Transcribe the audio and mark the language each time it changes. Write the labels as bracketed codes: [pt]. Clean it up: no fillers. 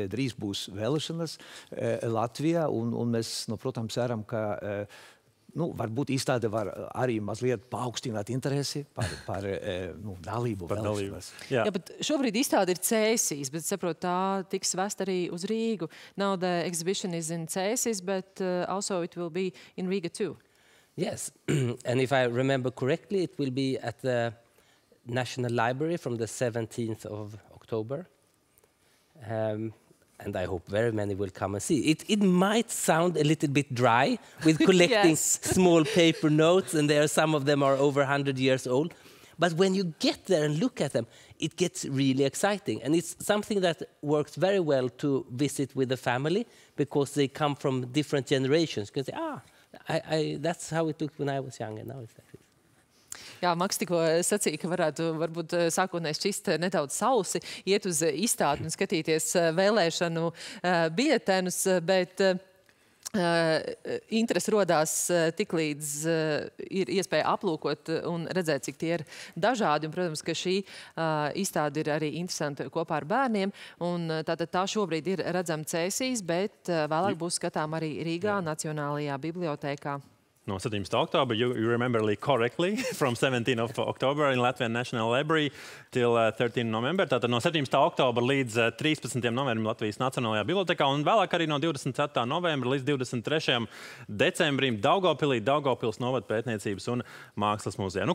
[lv] Drīz būs vēlēšanas Latvijā, un mēs protams, ceram, ka varbūt izstāde var arī mazliet paaugstināt interesi par dalību vēlēšanās. Jā, bet šobrīd izstāde ir Cēsīs, bet saprot, tā tiks vest arī uz Rīgu. [en] Now the exhibition is in Cēsīs, but also it will be in Riga too. Yes, and if I remember correctly, it will be at the National Library from the 17th of October. And I hope very many will come and see. It might sound a little bit dry with collecting small paper notes, and there some of them are over 100 years old. But when you get there and look at them, it gets really exciting. And it's something that works very well to visit with the family because they come from different generations. You can say, that's how it looked when I was young, and now it's like this. [lv] Jā, Maks tikko sacīja, ka varētu varbūt sākotnēji šķist nedaudz sausi, iet uz izstādi un skatīties vēlēšanu biļetenus, bet interesi rodās tiklīdz ir iespēja aplūkot un redzēt, cik tie ir dažādi. Un, protams, ka šī izstāde ir arī interesanta kopā ar bērniem. Un, tātad tā šobrīd ir redzama Cēsīs, bet vēlāk būs skatām arī Rīgā Nacionālajā bibliotēkā. No 17. [en] October, you remember Lee correctly, from 17th of October in Latvian National Library till 13th November. [lv] Tātad no 17. [en] October [lv] līdz 13. novembrim Latvijas Nacionālajā bibliotekā un vēlāk arī no 24. novembra līdz 23. decembrim Daugavpilī, Daugavpils novada pētniecības un mākslas muzejā.